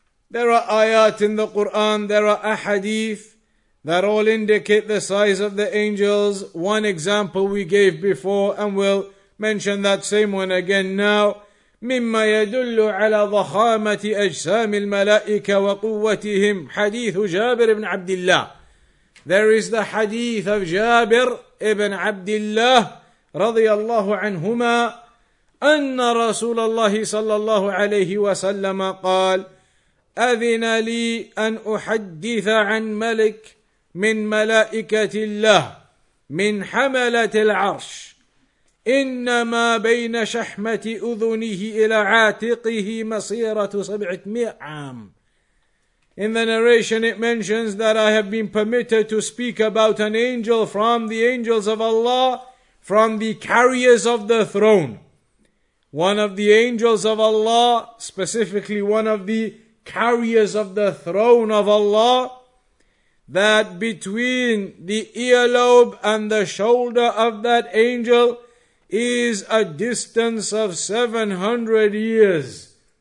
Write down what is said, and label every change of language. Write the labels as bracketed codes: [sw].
[en] There are ayat in the Quran, there are ahadith that all indicate the size of the angels. One example we gave before, and we'll mention that same one again now. [ar] مما يدل على ضخامة أجسام الملائكة وقوتهم حديث جابر بن عبد الله. [en] There is the hadith of [ar] جابر بن عبد الله رضي الله عنهما أن رسول الله صلى الله عليه وسلم قال أذن لي أن أحدث عن ملك من ملائكة الله من حملة العرش إنما بين شحمة أذنه إلى عاتقه مسيرة 700 عام. [en] In the narration it mentions that I have been permitted to speak about an angel from the angels of Allah, from the carriers of the throne. One of the angels of Allah, specifically one of the carriers of the throne of Allah, that between the earlobe and the shoulder of that angel is a distance of 700 years.